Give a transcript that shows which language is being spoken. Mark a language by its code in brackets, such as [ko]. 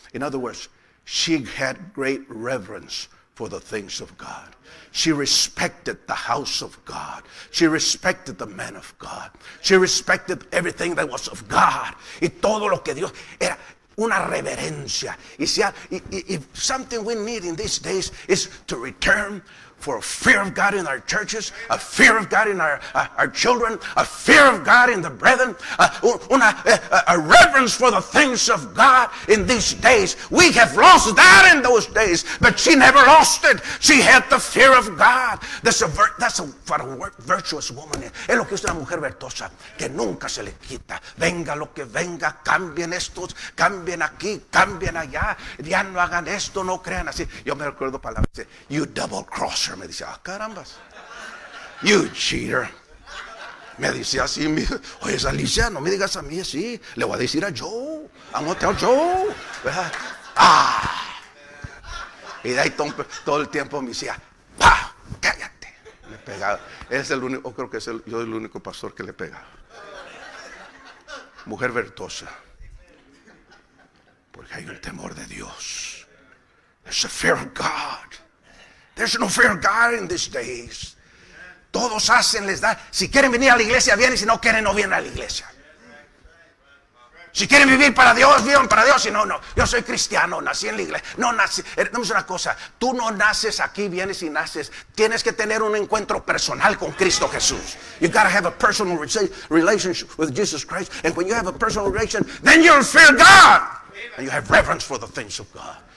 [en] In other words, she had great reverence for the things of God. She respected the house of God. She respected the man of God. She respected everything that was of God. [es] Y todo lo que Dios era una reverencia. [en] Y si if something we need in these days is to return for a fear of God in our churches, a fear of God in our children, a fear of God in the brethren, a reverence for the things of God in these days. We have lost that in those days, but she never lost it. She had the fear of God. That's what a virtuous woman is. [es] Es lo que es una mujer virtuosa, que nunca se le quita. Venga lo que venga, cambien estos, cambien aquí, cambien allá. Ya no hagan esto, no crean así. Yo me recuerdo palabras de, [en] you double cross. [es] Me dice, ah, carambas, [en] you cheater. [es] Me dice así, oye, esa Alicia, no me digas a mí así. Le voy a decir a Joe, [en] I'm gonna tell Joe. [es] Ah. Y de ahí todo el tiempo me decía, pa, cállate. Me pegaba. Es el único, creo que yo soy el único pastor que le pegaba. Mujer virtuosa, porque hay un temor de Dios. [en] There's a fear of God. There's no fear of God in these days. [es] Todos hacen, les da. Si quieren venir a la iglesia, vienen. Si no quieren, no vienen a la iglesia. Si quieren vivir para Dios, vivan para Dios. Si no, no. Yo soy cristiano, nací en la iglesia. No nací. Dame una cosa. Tú no naces aquí, vienes y naces. Tienes que tener un encuentro personal con Cristo Jesús. [en] You gotta have a personal relationship with Jesus Christ. And when you have a personal relationship, then you'll fear God. And you have reverence for the things of God.